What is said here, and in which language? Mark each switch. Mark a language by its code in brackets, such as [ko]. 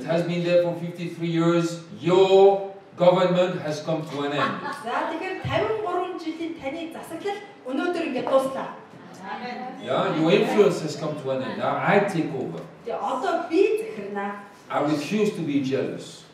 [en] It has been there for 53 years. Your government has come to an end. [mn] За тэгэхээр 53 жилийн таны засаглал өнөөдөр ингэ дууслаа. [en] Yeah, your influence has come to an end. Now I take over. I refuse to be jealous.